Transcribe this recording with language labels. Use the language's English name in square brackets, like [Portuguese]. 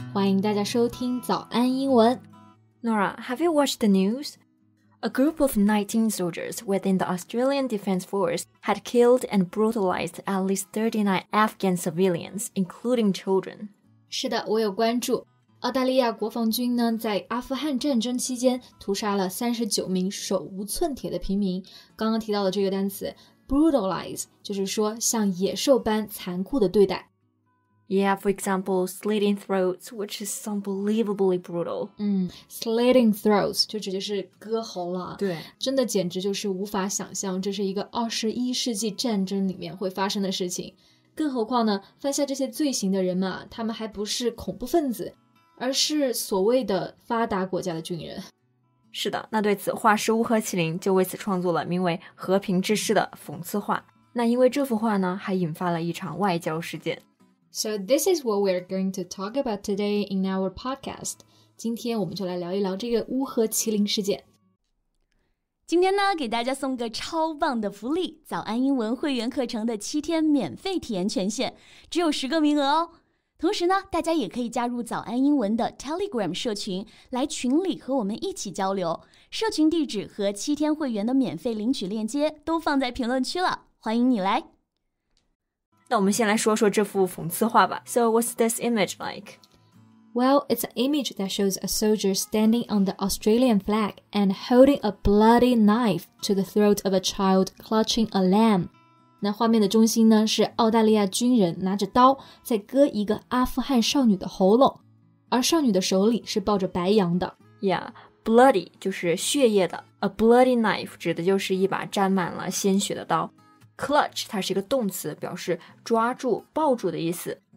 [Chinese] 欢迎大家收听早安英文。 [English] Nora, have you watched the news? A group of 19 soldiers within the Australian Defence Force had killed and brutalized at least 39 Afghan civilians, including children. [Chinese] 是的，我有关注。澳大利亚国防军呢，在阿富汗战争期间屠杀了39名手无寸铁的平民。刚刚提到的这个单词Brutalize, 就是说像野兽般残酷的对待。 [English] Yeah, for example, slitting throats, which is unbelievably brutal. Slitting throats, [Chinese] 就直接是割喉了。对。真的简直就是无法想象这是一个21世纪战争里面会发生的事情。更何况呢，犯下这些罪行的人嘛，他们还不是恐怖分子，而是所谓的发达国家的军人。是的，那对此画师乌合麒麟就为此创作了名为《和平之师》的讽刺画。那因为这幅画呢，还引发了一场外交事件。 [English] So this is what we're going to talk about today in our podcast. [Chinese] 今天我们就来聊一聊这个乌合麒麟事件。今天呢，给大家送个超棒的福利，早安英文会员课程的七天免费体验权限，只有10个名额哦。同时呢，大家也可以加入早安英文的 Telegram 社群，来群里和我们一起交流。社群地址和七天会员的免费领取链接都放在评论区了，欢迎你来。那我们先来说说这幅讽刺画吧。 [English] So what's this image like? Well, it's an image that shows a soldier standing on the Australian flag and holding a bloody knife to the throat of a child clutching a lamb. [Chinese] 那画面的中心呢，是澳大利亚军人拿着刀在割一个阿富汗少女的喉咙，而少女的手里是抱着白羊的。 Yeah, bloody 就是血液的 ， [English] a bloody knife [Chinese] 指的就是一把沾满了鲜血的刀。 Clutch 它是一个动词，表示抓住、抱住的意思。